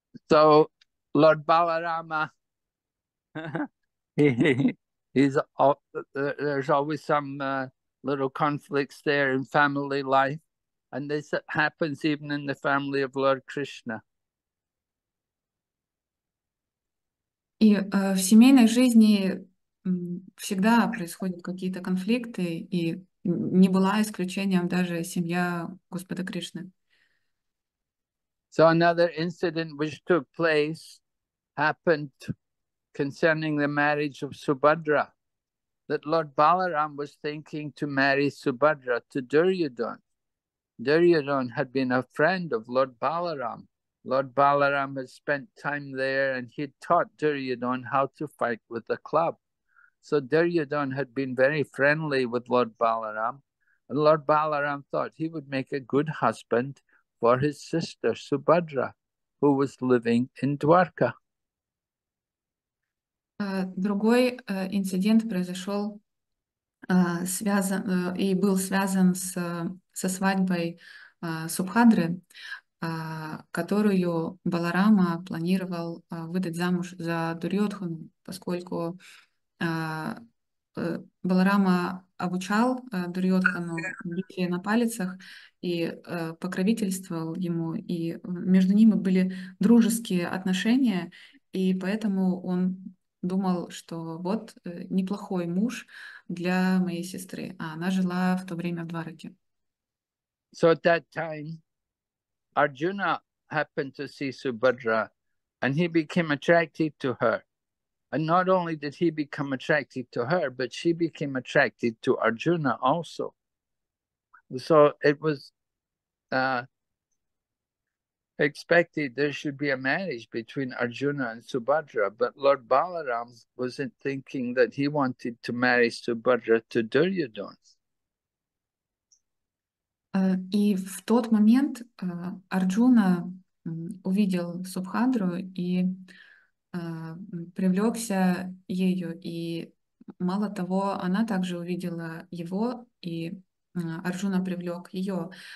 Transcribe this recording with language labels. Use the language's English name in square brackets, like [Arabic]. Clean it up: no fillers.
[English] So, Lord Balarama, there's always some little conflicts there in family life, and this happens even in the family of Lord Krishna. [Russian] И в семейной жизни всегда происходят какие-то конфликты, и не была исключением даже семья Господа Кришны. [English] So another incident which took place happened concerning the marriage of Subhadra, that Lord Balaram was thinking to marry Subhadra to Duryodhan. Duryodhan had been a friend of Lord Balaram. Lord Balaram had spent time there and he'd taught Duryodhan how to fight with the club. So Duryodhan had been very friendly with Lord Balaram, and Lord Balaram thought he would make a good husband for his sister Subhadra, who was living in Dwarka. [Russian] Другой инцидент произошел, связан и был связан с со свадьбой Субхадры, которую Баларама планировал выдать замуж за Дурьотхану, поскольку Баларама обучал Дурьотхану битве на палицах и покровительствовал ему, и между ними были дружеские отношения, и поэтому он думал, что вот неплохой муж для моей сестры, а она жила в то время в Двараке. [English] So at that time, Arjuna happened to see Subhadra, and he became attracted to her. And not only did he become attracted to her, but she became attracted to Arjuna also. So it was expected there should be a marriage between Arjuna and Subhadra, but Lord Balaram wasn't thinking that he wanted to marry Subhadra to Duryodhan. [Russian] И в тот момент Арджуна увидел Субхадру и привлекся ею. И мало того, она также увидела его, и Арджуна привлек ее.